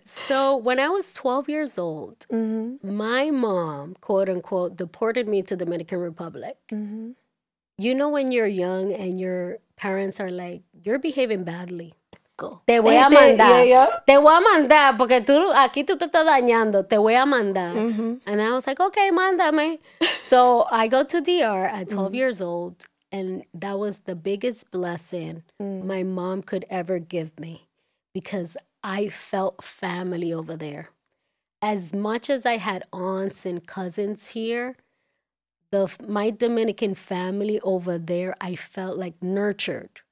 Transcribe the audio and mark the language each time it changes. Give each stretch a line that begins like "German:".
English: So when I was 12 years old, my mom, quote unquote, deported me to the Dominican Republic. You know when you're young and your parents are like, you're behaving badly. Go.
Spanish: Te voy a mandar. Te voy a mandar porque tú, aquí tú te estás dañando. Te voy a mandar.
English: And I was like, okay,
Spanish: mándame.
English: So I go to DR at 12 years old, and that was the biggest blessing my mom could ever give me because I felt family over there. As much as I had aunts and cousins here, my Dominican family over there, I felt like nurtured.